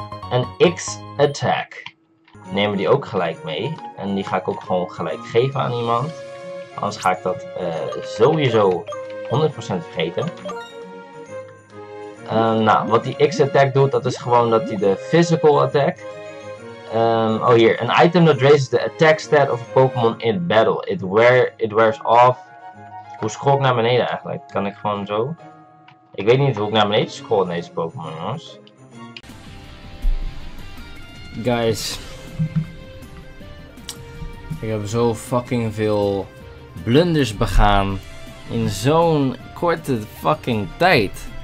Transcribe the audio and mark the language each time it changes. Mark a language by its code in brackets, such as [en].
[nl] Een X-Attack. Nemen die ook gelijk mee. En die ga ik ook gewoon gelijk geven aan iemand. Anders ga ik dat sowieso 100% vergeten. Nou, wat die X-Attack doet, dat is gewoon dat hij de Physical Attack. Oh hier, [en] an item that raises the attack stat of a Pokémon in battle. It wears off. [nl] Hoe scroll ik naar beneden eigenlijk? Kan ik gewoon zo? Ik weet niet hoe ik naar beneden scroll in deze Pokémon, jongens. [en] Guys. [nl] Ik heb zo fucking veel blunders begaan in zo'n korte fucking tijd.